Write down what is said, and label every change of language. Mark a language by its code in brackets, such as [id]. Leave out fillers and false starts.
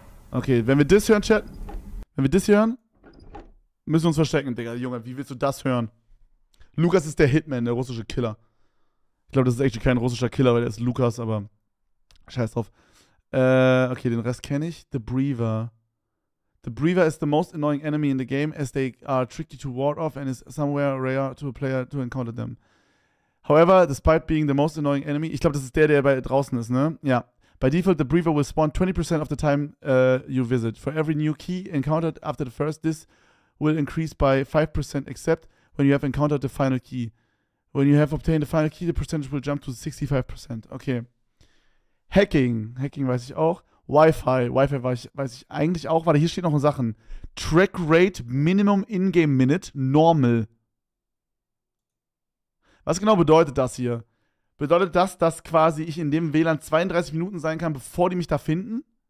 [de] Okay, wenn wir das hören, Chat. Wenn wir das hören, müssen wir uns verstecken, Digga. Junge, wie willst du das hören? Lukas ist der Hitman, der russische Killer. Ich glaube, das ist echt kein russischer Killer, weil der ist Lukas, aber. Scheiß drauf. Okay, den Rest kenne ich. The Breather. [en] The Breather is the most annoying enemy in the game as they are tricky to ward off and is somewhere rare to a player to encounter them. However, despite being the most annoying enemy, [de] ich glaube, das ist der bei draußen ist, ne? Ja. [en] By default, the Breather will spawn 20% of the time you visit. For every new key encountered after the first, this will increase by 5% except when you have encountered the final key. When you have obtained the final key, the percentage will jump to 65%. [de] Okay. Hacking weiß ich auch. Wi-Fi weiß ich eigentlich auch, weil hier steht noch in Sachen. [en] Track Rate Minimum In-Game Minute Normal. [de] Was genau bedeutet das hier? Bedeutet das, dass quasi ich in dem WLAN 32 Minuten sein kann, bevor die mich da finden?